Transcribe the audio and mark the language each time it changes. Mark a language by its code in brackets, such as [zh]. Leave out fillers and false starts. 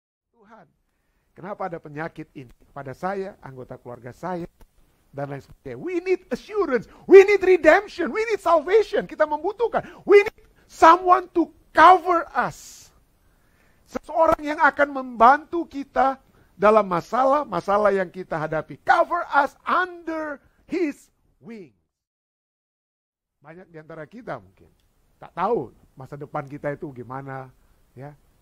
[id] Tuhan, kenapa ada penyakit ini pada saya, anggota keluarga saya, dan lain sebagainya. [en] We need assurance, we need redemption, we need salvation. [id] Kita membutuhkan, [en] we need someone to cover us. [id] Seseorang yang akan membantu kita dalam masalah-masalah yang kita hadapi. [en] Cover us under his wing. [id] Banyak di antara kita mungkin tak tahu masa depan kita itu gimana, ya.